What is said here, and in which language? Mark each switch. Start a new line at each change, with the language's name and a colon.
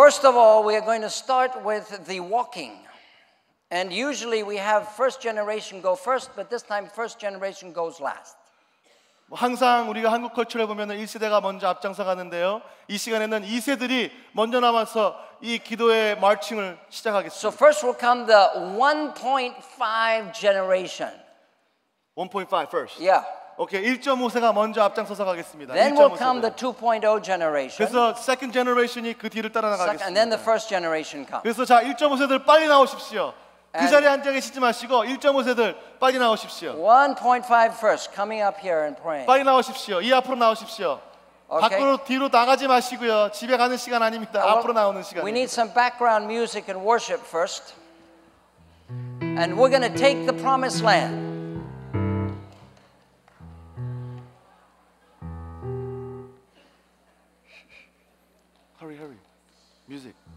English: First of all, we are going to start with the walking. And usually we have first generation go first, but this time first generation goes last.
Korean: 항상 우리가 한국 컬처를 보면 1세대가 먼저 앞장서 가는데요. 이 시간에는 2세들이 먼저 나와서 이 기도의 마칭을 시작하겠습니다.
English: So first will come the 1.5 generation. 1.5 first. Yeah.
Korean: Okay, 1.5세가 먼저 앞장서서 가겠습니다.
English: Then will come the 2.0 generation.
Korean: 그래서
English: second generation
Korean: 이 그 뒤를 따라 나가겠습니다.
English: And then the first generation comes.
Korean: 그래서 자, 1.5세들 빨리 나오십시오. 그 자리에 앉아 계시지 마시고 1.5세들 빨리 나오십시오.
English: 1.5 first coming up here and praying.
Korean: 빨리 나오십시오. 이 앞으로 나오십시오. Okay. 밖으로 뒤로 나가지 마시고요. 집에 가는 시간 아닙니다. Well, 앞으로 나오는 시간.
English: We need some background music and worship first. And we're going to take the promised land. Hurry, music.